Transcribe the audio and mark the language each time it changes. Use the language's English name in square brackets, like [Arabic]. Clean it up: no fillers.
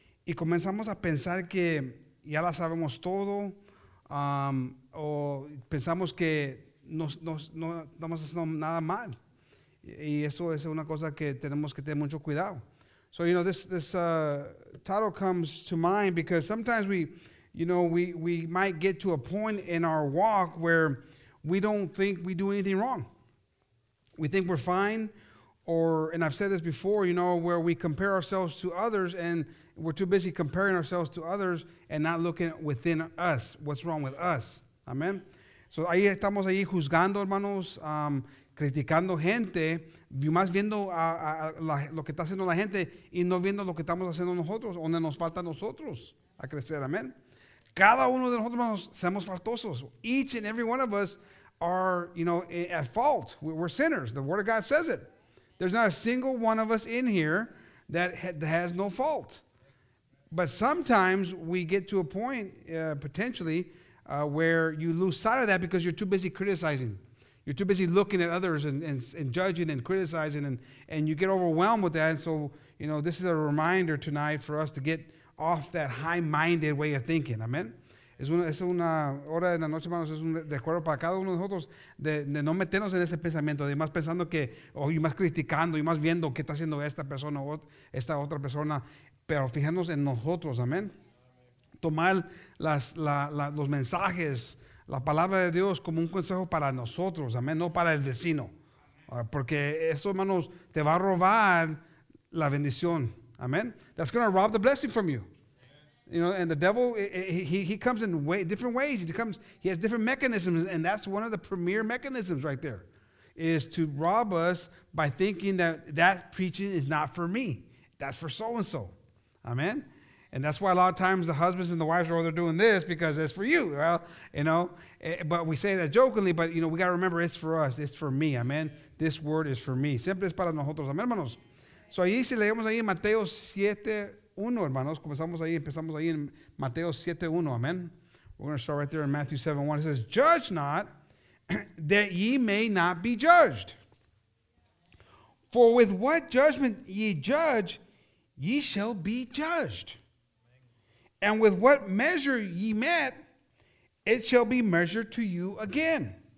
[Spanish] Y comenzamos a pensar que ya la sabemos todo, o pensamos que no estamos haciendo nada mal. Y eso es una cosa que tenemos que tener mucho cuidado. [English] So, you know, this title comes to mind because sometimes we might get to a point in our walk where we don't think we do anything wrong. We think we're fine, and I've said this before, you know, where we compare ourselves to others and we're too busy comparing ourselves to others and not looking within us. What's wrong with us? Amen. [Spanish] So ahí estamos ahí juzgando, hermanos, criticando gente, más viendo lo que está haciendo la gente y no viendo lo que estamos haciendo nosotros, donde nos falta a nosotros a crecer. Amen. Cada uno de nosotros, hermanos, somos faltosos. [English] Each and every one of us are, you know, at fault. We're sinners. The Word of God says it. There's not a single one of us in here that has no fault. But sometimes we get to a point, potentially, where you lose sight of that because you're too busy criticizing. You're too busy looking at others and judging and criticizing, and you get overwhelmed with that. And so, you know, this is a reminder tonight for us to get off that high-minded way of thinking. Amen? [Spanish] Es una hora en la noche, hermanos, es un recuerdo para cada uno de nosotros de no meternos en ese pensamiento, de más pensando que, y más criticando, y más viendo qué está haciendo esta persona o esta otra persona. Pero fijarnos en nosotros, amén. Tomar los mensajes, la palabra de Dios como un consejo para nosotros, amén, no para el vecino. Porque eso, hermanos, te va a robar la bendición, amén. [English] That's going to rob the blessing from you. You know, and the devil, he comes in different ways. He has different mechanisms, and that's one of the premier mechanisms right there, is to rob us by thinking that preaching is not for me. That's for so-and-so. Amen? And that's why a lot of times the husbands and the wives are over there doing this because it's for you. Well, you know, but we say that jokingly, but, you know, we got to remember it's for us. It's for me. Amen? this word is for me. [Spanish] Siempre es para nosotros, amén, hermanos. So ahí si leemos ahí Mateo 7:1, hermanos, empezamos ahí en Mateo 7:1, amén. [English] We're going to start right there in Matthew 7:1. It says, "Judge not, that ye may not be judged. For with what judgment ye judge, ye shall be judged. And with what measure ye met, it shall be measured to you again.